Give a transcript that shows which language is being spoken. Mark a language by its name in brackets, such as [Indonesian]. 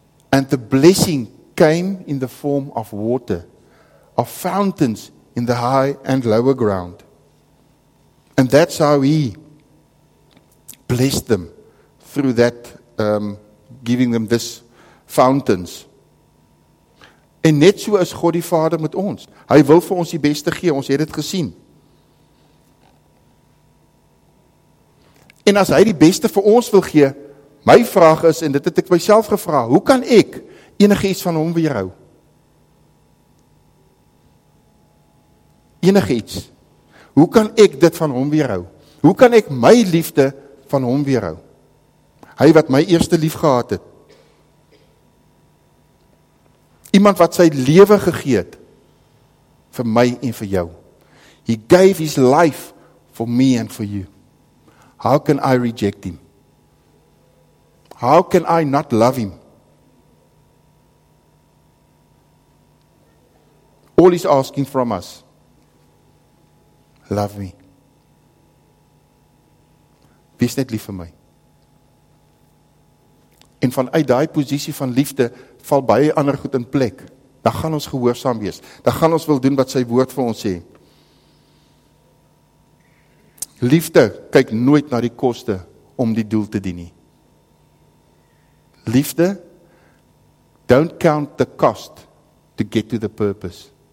[English] And the blessing came in the form of water, of fountains in the high and lower ground. And that's how he blessed them through that, giving them this fountains. [Afrikaans] En net so is God die Vader met ons. Hy wil vir ons die beste gee, ons het dit gesien. En as hy die beste vir ons wil gee, my vraag is, en dit het ek myself gevra, hoe kan ek enige iets van hom weerhou? Enige iets. Hoe kan ek dit van hom weerhou? Hoe kan ek my liefde van hom weerhou? Hy wat my eerste lief gehad het. Iemand wat sy lewe gegee het vir my en vir jou. [English] He gave his life for me and for you. How can I reject him? How can I not love him? All he's asking from us. Love me. [Afrikaans] Wees net lief vir my. En vanuit daai posisie van liefde val baie ander goed in plek. Dan gaan ons gehoorsaam wees. Dan gaan ons wil doen wat sy woord vir ons sê. Liefde kyk nooit na die koste om die doel te dien nie. [English] Liefde, don't count the cost to get to the purpose.